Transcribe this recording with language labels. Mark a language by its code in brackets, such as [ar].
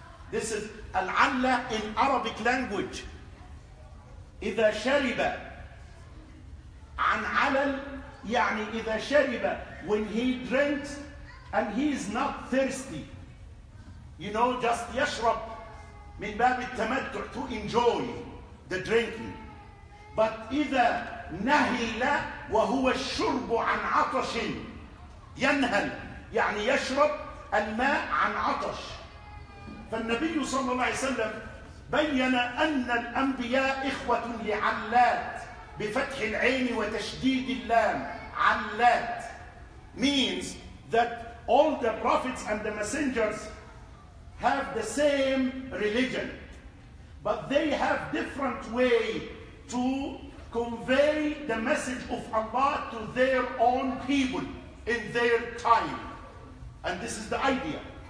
[en] This is al-alla in Arabic language. [ar] إذا شرب عن علل يعني إذا شرب [en] when he drinks and he is not thirsty. You know, just [ar] يشرب من باب التمتع [en] to enjoy the drinking. But [ar] إذا نهل وهو الشرب عن عطش ينهل يعني يشرب الماء عن عطش. فالنبي صلى الله عليه وسلم بين أن الأنبياء إخوة لعلات بفتح العين وتشديد اللام. [en] علات means that all the prophets and the messengers have the same religion, but they have different way to convey the message of Allah to their own people in their time. And this is the idea.